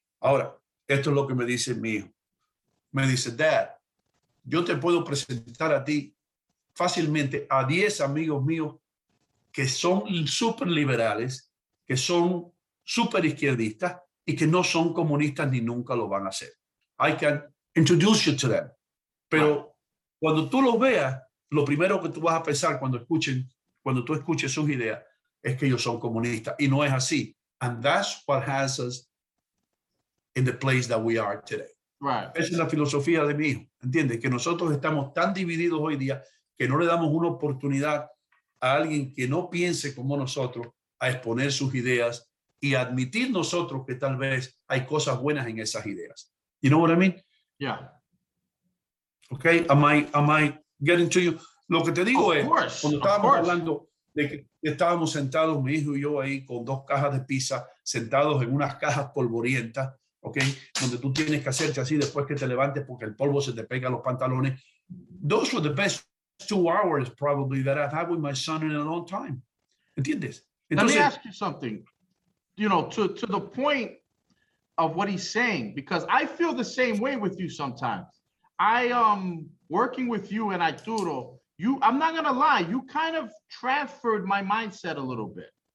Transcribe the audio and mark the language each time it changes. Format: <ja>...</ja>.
<es>Ahora, esto es lo que me dice mi hijo. Me dice, Dad, yo te puedo presentar a ti fácilmente a 10 amigos míos que son súper liberales, que son súper izquierdistas y que no son comunistas ni nunca lo van a ser.</es> <en>I can introduce you to them.</en> <es>Pero cuando tú los veas, lo primero que tú vas a pensar cuando tú escuches sus ideas es que ellos son comunistas. Y no es así.</es> <en>And that's what has us in the place that we are today. Right.</en> <es>Esa es la filosofía de mi hijo, ¿entiendes? Que nosotros estamos tan divididos hoy día que no le damos una oportunidad a alguien que no piense como nosotros a exponer sus ideas y admitir nosotros que tal vez hay cosas buenas en esas ideas.</es> <en>You know what I mean? Yeah. Okay, am I getting to you?</en> <es>Lo que te digo</es> <en>of</en> <es>es,</es> <en>course,</en> <es>cuando estábamos hablando de que estábamos sentados, mi hijo y yo ahí con dos cajas de pizza, sentados en unas cajas polvorientas, ¿ok? Donde tú tienes que hacerte así después que te levantes porque el polvo se te pega a los pantalones.</es> <en>Those were the best 2 hours probably that I've had with my son in a long time.</en> <es>¿Entiendes?</es> <en>Entonces, let me ask you something. You know, to the point of what he's saying, because I feel the same way with you sometimes. I am working with you and Arturo, I'm not gonna lie, you kind of transferred my mindset a little bit.</en>